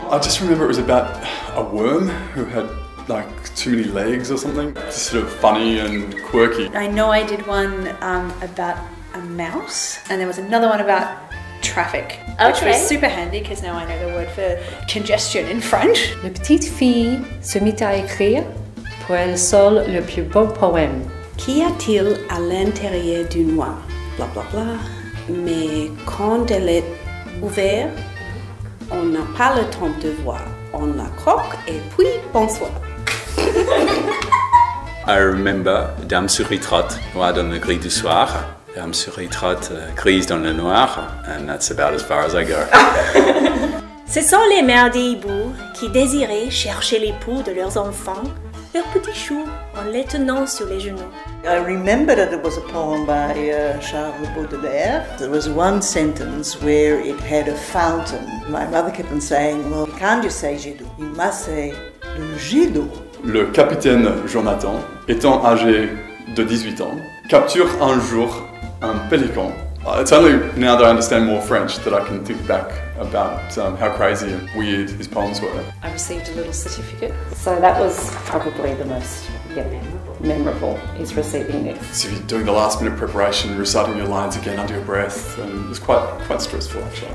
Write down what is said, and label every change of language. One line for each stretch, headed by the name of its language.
English: I just remember it was about a worm who had like too many legs or something. It's sort of funny and quirky. I know I did one about a mouse, and there was another one about traffic. Okay. Which was super handy because now I know the word for congestion in French.
French: La petite fille se mit à écrire pour elle seule le plus beau poème. Qu'y a-t-il à l'intérieur du noir? Blah blah blah. Mais quand elle est ouverte, on n'a pas le temps de voir. On la croque et puis bonsoir.
English: I remember
French: Dame Souris Trotte, Noir dans le Gris du Soir. Dame Souris Trotte, Grise dans le Noir.
English: And that's about as far as I go.
French: Ce sont les mères des hiboux qui désiraient chercher l'époux de leurs enfants, leurs petits choux, en les tenant sur les genoux.
English: I remember that it was a poem by Charles Baudelaire. There was one sentence where it had a fountain. My mother kept on saying, well, you can't just say
French: jet d'eau,
English: you must say
French: le jet d'eau. Le capitaine Jonathan, étant âgé de 18 ans, capture un jour un pélican.
English: It's only now that I understand more French that I can think back about how crazy and weird his poems were. I received a little certificate. So that was probably the most memorable, is receiving this. So you're doing the last minute preparation, reciting your lines again under your breath, and it was quite stressful actually.